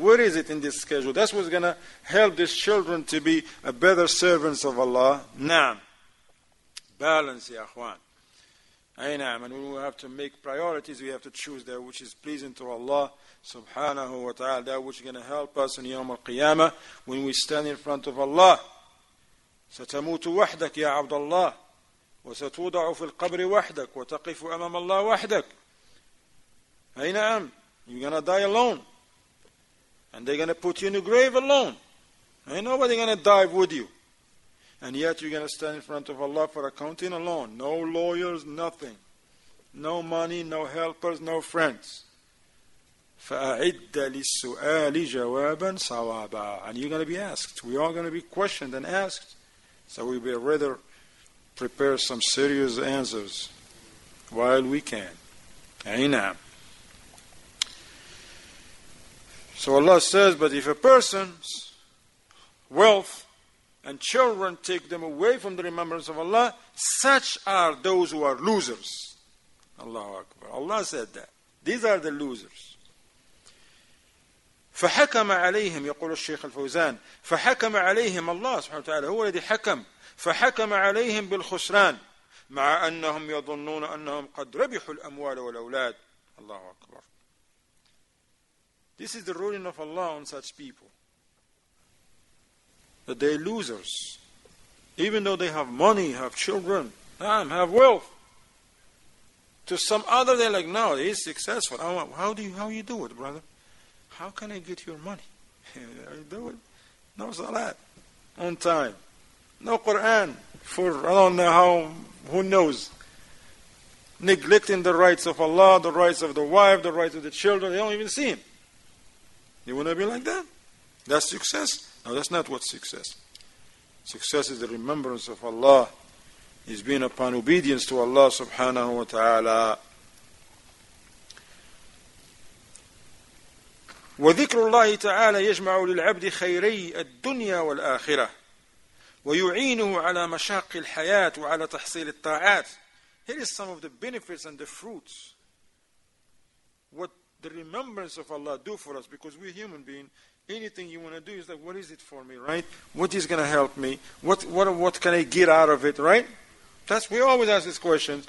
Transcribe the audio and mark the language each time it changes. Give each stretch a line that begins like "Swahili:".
English: Where is it in this schedule? That's what's going to help these children to be a better servants of Allah. Naam. Balance, ya akhwan. Ay naam. And we will have to make priorities. We have to choose that which is pleasing to Allah subhanahu wa ta'ala. That which is going to help us in Yawm al-Qiyamah when we stand in front of Allah.
Arabic: ستموت وحدك يا عبد الله وستوضع في القبر وحدك وتقف أمام الله وحدك. أي نعم.
English: You're gonna die alone. And they're gonna put you in a grave alone. Ain't nobody gonna die with you. And yet you're gonna stand in front of Allah for accounting alone. No lawyers, nothing. No money, no helpers, no friends.
Arabic: فأعد للسؤال جوابا صوابا.
English: And you're gonna be asked. We are gonna be questioned and asked. So we will rather prepare some serious answers while we can. Aynam. So Allah says, but if a person's wealth and children take them away from the remembrance of Allah, such are those who are losers. Allahu Akbar. Allah said that. These are the losers.
Arabic: فحكم عليهم يقول الشيخ الفوزان فحكم عليهم الله سبحانه وتعالى هو الذي حكم فحكم عليهم بالخسران مع أنهم يظنون أنهم قد ربحوا الأموال والأولاد. الله أكبر.
English: This is the ruling of Allah on such people, that they are losers even though they have money, have children, have wealth. To some other they're like, no, he's successful. How do you do it, brother? How can I get your money? I do it. No salat on time. No Quran for I don't know how, who knows. Neglecting the rights of Allah, the rights of the wife, the rights of the children. They don't even see him. You want to be like that? That's success? No, that's not what success. Success is the remembrance of Allah. Is being upon obedience to Allah subhanahu wa ta'ala.
Arabic: وذكر الله تعالى يجمع للعبد خيري الدنيا والآخرة ويعينه على مشاق الحياة وعلى تحصيل الطاعات.
English: Here is some of the benefits and the fruits. What the remembrance of Allah do for us, because we're human being. Anything you want to do is like, what is it for me, right? What is going to help me? What can I get out of it, right? That's, we always ask these questions.